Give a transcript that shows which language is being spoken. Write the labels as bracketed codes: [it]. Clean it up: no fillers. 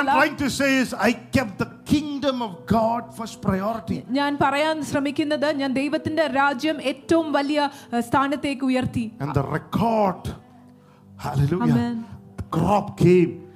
[en] what I'm trying to say is I kept the kingdom of God first priority [ml] ഞാൻ പറയാൻ ശ്രമിക്കുന്നത് ഞാൻ ദൈവത്തിന്റെ രാജ്യം ഏറ്റവും വലിയ സ്ഥാനത്തേക്ക് ഉയർത്തി [en] and the record hallelujah amen the crop came